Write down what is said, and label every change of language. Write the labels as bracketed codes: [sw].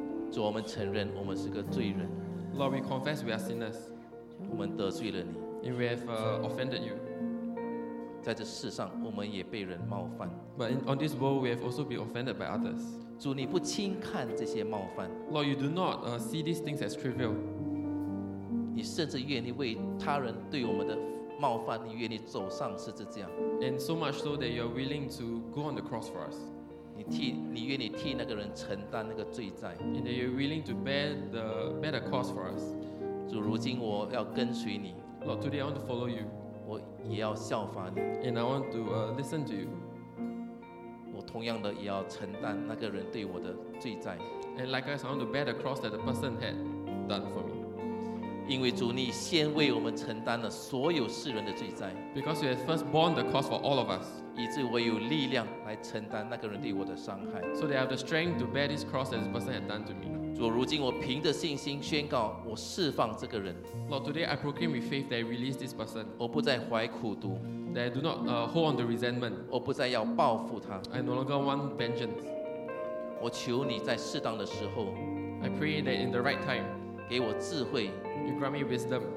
[zh] 主，我们承认我们是个罪人。 [en] Lord, we confess we are sinners. [zh] 我们得罪了你。 [en] And we have offended you. [zh] 在这世上，我们也被人冒犯。 [en] But on this world, we have also been offended by others. [zh] 主，你不轻看这些冒犯。 [en] Lord, you do not see these things as trivial. [zh] 你甚至愿意为他人对我们的冒犯，你愿意走上十字架。 [en] And so much so that you are willing to go on the cross for us. [zh] 你愿意替那个人承担那个罪债。 [en] And you are willing to bear the cost for us. [zh] 主，如今我要跟随你。 [en] Lord, today I want to follow you. [zh] 我也要效法你 [en] and I want to listen to you. [zh] 我同样的也要承担那个人对我的罪债 [en] and likewise, I want to bear the cross that the person had done for me. [zh] 因为主你先为我们承担了所有世人的罪债 [en] because you have first borne the cross for all of us. [zh] 以致我有力量来承担那个人对我的伤害 [en] so that I have the strength to bear this cross that this person had done to me. [zh] 主，如今我凭着信心宣告，我释放这个人。 [en] Lord, today I proclaim with faith that I release this person. [zh] 我不再怀苦毒。 [en] That I do not hold on to resentment. [zh] 我不再要报复他。 [en] I no longer want vengeance. [zh] 我求你在适当的时候 [en] ，I pray that in the right time, [zh] 给我智慧。 [en] You grant me wisdom.